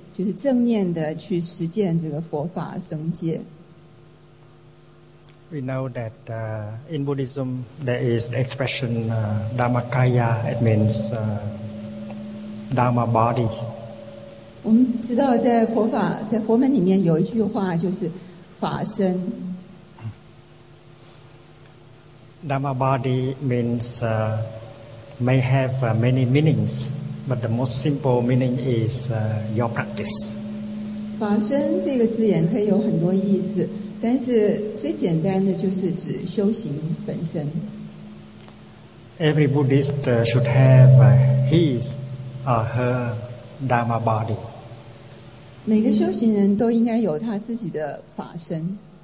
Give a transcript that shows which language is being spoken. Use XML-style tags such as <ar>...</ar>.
<zh>就是正念的去实践这个佛法僧戒。</zh> <en>We know that in Buddhism there is the expression Dharmakaya. It means Dharma body.</en> <zh>我们知道在佛门里面有一句话就是法身。</zh> <en>Dharma body means may have many meanings. But the most simple meaning is your practice.</en> <zh>法身这个字眼可以有很多意思，但是最简单的就是指修行本身。</zh> <en>Every Buddhist should have his or her Dharma body.</en> <zh>每个修行人都应该有他自己的法身。</zh>